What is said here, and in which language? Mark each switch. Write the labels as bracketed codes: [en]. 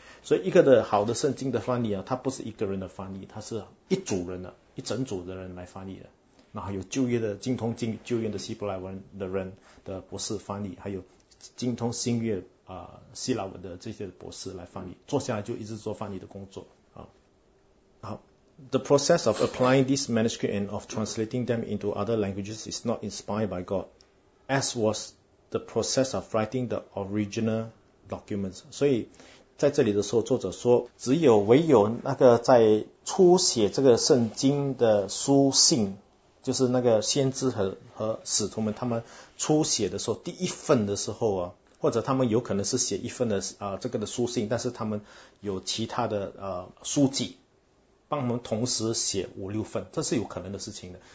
[zh] 所以一个的好的圣经的翻译啊，它不是一个人的翻译，它是一组人的，一整组的人来翻译的。然后有旧约的精通旧约的希伯来文的人的博士翻译，还有精通新约希腊文的这些博士来翻译，坐下来就一直做翻译的工作啊。 [en] 好 ，The process of applying these manuscripts and of translating them into other languages is not inspired by God, as was the process of writing the original documents. [zh] 所以在这里的时候，作者说，只有唯有那个在初写这个圣经的书信，就是那个先知和使徒们，他们初写的时候，第一份的时候啊，或者他们有可能是写一份的这个的书信，但是他们有其他的书记帮我们同时写五六份，这是有可能的事情的。